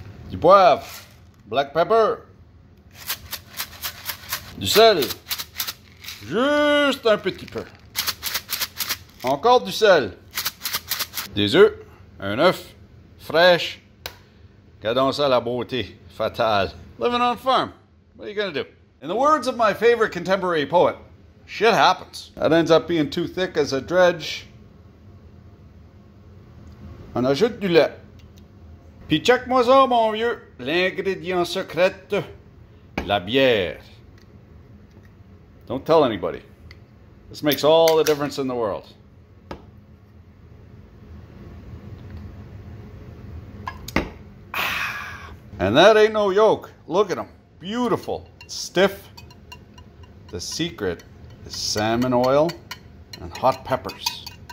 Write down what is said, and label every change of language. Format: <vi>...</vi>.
<fr>Du poivre,</fr> <en>black pepper,</en> <fr>du sel, juste un petit peu, encore du sel, des œufs, un œuf, fraîche, cadence à la beauté, fatale.</fr> <en>Living on a farm, what are you gonna do? In the words of my favorite contemporary poet, shit happens. That ends up being too thick as a dredge.</en> <fr>On ajoute du lait. Puis check-moi ça, mon vieux, l'ingrédient secret, la bière.</fr> <en>Don't tell anybody. This makes all the difference in the world. And that ain't no yolk. Look at them. Beautiful. Stiff. The secret is salmon oil and hot peppers.</en>